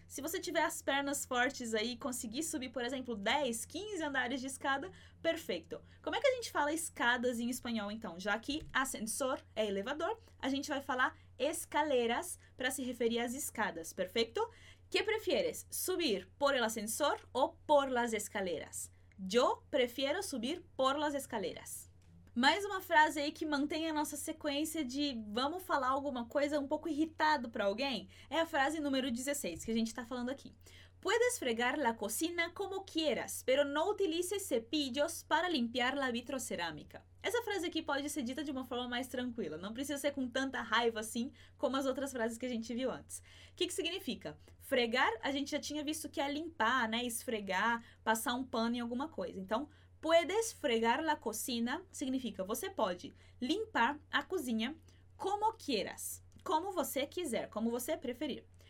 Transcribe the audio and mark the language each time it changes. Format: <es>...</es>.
<pt>Se você tiver as pernas fortes aí e conseguir subir, por exemplo, 10, 15 andares de escada, perfeito. Como é que a gente fala escadas em espanhol, então? Já que ascensor é elevador, a gente vai falar escaleras para se referir às escadas, perfeito?</pt> <es>¿Qué prefieres? ¿Subir por el ascensor o por las escaleras? Yo prefiero subir por las escaleras.</es> <pt>Mais uma frase aí que mantém a nossa sequência de vamos falar alguma coisa um pouco irritado para alguém é a frase número 16 que a gente está falando aqui.</pt> <es>Puedes fregar la cocina como quieras, pero no utilices cepillos para limpiar la vitrocerámica.</es> <pt>Essa frase aqui pode ser dita de uma forma mais tranquila, não precisa ser com tanta raiva assim como as outras frases que a gente viu antes. O que significa? Fregar, a gente já tinha visto que é limpar, né? Esfregar, passar um pano em alguma coisa. Então,</pt> <es>puedes fregar la cocina</es> <pt>significa você pode limpar a cozinha</pt> <es>como quieras,</es> <pt>como você quiser, como você preferir.</pt>